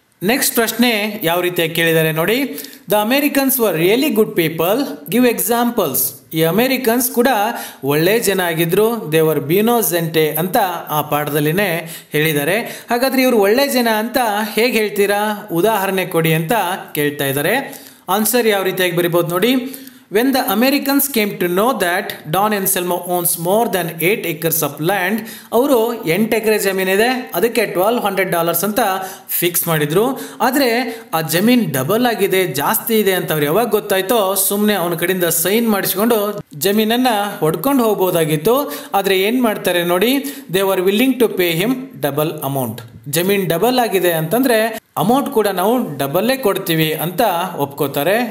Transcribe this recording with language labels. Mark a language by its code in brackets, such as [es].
[kn] Next ಪ್ರಶ್ನೆ ಯಾವ ರೀತಿಯಾಗಿ ಕೇಳಿದ್ದಾರೆ ನೋಡಿ, [en] The Americans were really good people, give examples. [kn] ಈ ಅಮೆರಿಕನ್ಸ್ ಕೂಡ ಒಳ್ಳೆ ಜನ ಆಗಿದ್ರು, ದೇವರ್ ಬೀನೋಜೆಂಟೆ ಅಂತ ಆ ಪಾಠದಲ್ಲಿನೇ ಹೇಳಿದ್ದಾರೆ. ಹಾಗಾದರೆ ಇವರು ಒಳ್ಳೆ ಜನ ಅಂತ ಹೇಗೆ ಹೇಳ್ತೀರಾ, ಉದಾಹರಣೆ ಕೊಡಿ ಅಂತ ಕೇಳ್ತಾ ಇದ್ದಾರೆ. ಆನ್ಸರ್ ಯಾವ ರೀತಿಯಾಗಿ ಬರಿಬೋದು ನೋಡಿ. [en] When the Americans came to know that Don Anselmo owns more than 8 acres of land, [kn] ಅವರು 8 ಎಕರೆ ಜಮೀನಿದೆ ಅದಕ್ಕೆ $1200 ಅಂತ ಫಿಕ್ಸ್ ಮಾಡಿದರು. ಆದರೆ ಆ ಜಮೀನ್ ಡಬಲ್ ಆಗಿದೆ, ಜಾಸ್ತಿ ಇದೆ ಅಂತ ಅವ್ರು ಯಾವಾಗ ಗೊತ್ತಾಯ್ತೋ ಸುಮ್ಮನೆ ಅವನ ಕಡೆಯಿಂದ ಸೈನ್ ಮಾಡಿಸ್ಕೊಂಡು ಜಮೀನನ್ನು ಹೊಡ್ಕೊಂಡು ಹೋಗ್ಬೋದಾಗಿತ್ತು. ಆದರೆ ಏನು ಮಾಡ್ತಾರೆ ನೋಡಿ, [en] They are willing to pay him double amount. [kn] ಜಮೀನ್ ಡಬಲ್ ಆಗಿದೆ ಅಂತಂದರೆ ಅಮೌಂಟ್ ಕೂಡ ನಾವು ಡಬಲ್ಲೇ ಕೊಡ್ತೀವಿ ಅಂತ ಒಪ್ಕೋತಾರೆ.